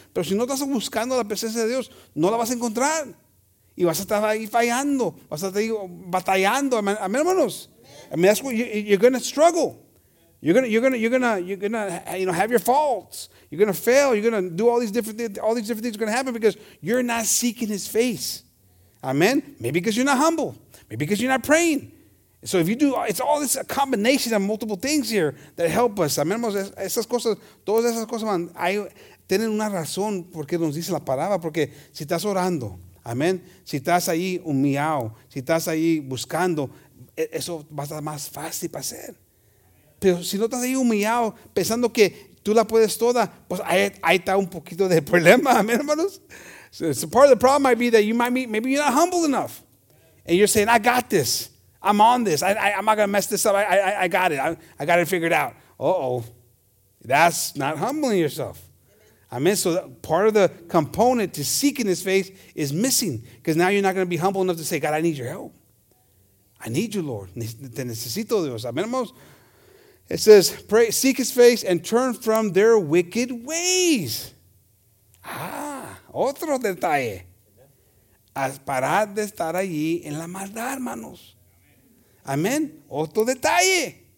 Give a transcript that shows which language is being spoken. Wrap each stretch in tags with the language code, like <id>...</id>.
<es>Pero si no estás buscando la presencia de Dios, no la vas a encontrar. Y vas a estar ahí fallando. Vas a estar ahí batallando. Amen, hermanos?</es> <en>I mean, that's what you're going to struggle. You're gonna have your faults. You're gonna fail. You're gonna do all these different things are gonna happen because you're not seeking his face. Amen. Maybe because you're not humble. Maybe because you're not praying. So if you do, it's all this combination of multiple things here that help us.</en> <es>Amen. Esas cosas, todas esas cosas, man, tienen una razón porque nos dice la palabra. Porque si estás orando, amen. Si estás ahí humillado, si estás ahí buscando, eso va a estar más fácil para hacer. Pero si no estás ahí humillado, pensando que tú la puedes toda, pues ahí está un poquito de problema, amén, hermanos.</es> <en>So part of the problem might be that maybe you're not humble enough. And you're saying, I got this. I'm on this. I'm not going to mess this up. I got it. I got it figured out. Uh-oh. That's not humbling yourself. Amen. So part of the component to seeking his face is missing. Because now you're not going to be humble enough to say, God, I need your help. I need you, Lord.</en> <es>Te necesito, Dios. Amén, hermanos.</es> <en>It says, pray, seek his face and turn from their wicked ways.</en> <es>Ah, otro detalle. Al parar de estar allí en la maldad, hermanos. Amén. Otro detalle.</es>